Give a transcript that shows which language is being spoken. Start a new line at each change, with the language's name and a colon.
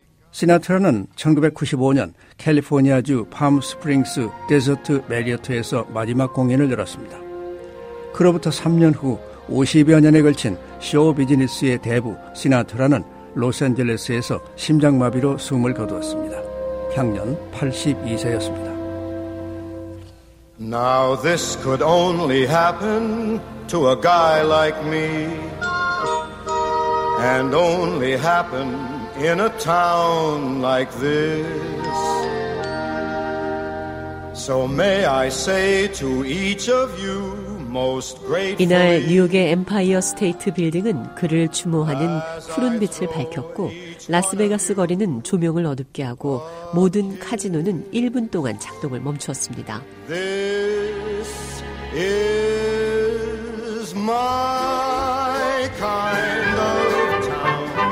Korean: 시나트라는 1995년 캘리포니아주 팜 스프링스 데저트 메리어트에서 마지막 공연을 열었습니다. 그로부터 3년 후 50여 년에 걸친 쇼 비즈니스의 대부 시나트라는 로스앤젤레스에서 심장마비로 숨을 거두었습니다. 향년 82세였습니다.
English: Now this could only happen to a guy like me, and only happen in a town like this. So may I say to each of you,
Korean: 이날 뉴욕의 엠파이어 스테이트 빌딩은 그를 추모하는 푸른 빛을 밝혔고 라스베가스 거리는 조명을 어둡게 하고 모든 카지노는 1분 동안 작동을 멈추었습니다.
English: This is my kind of town.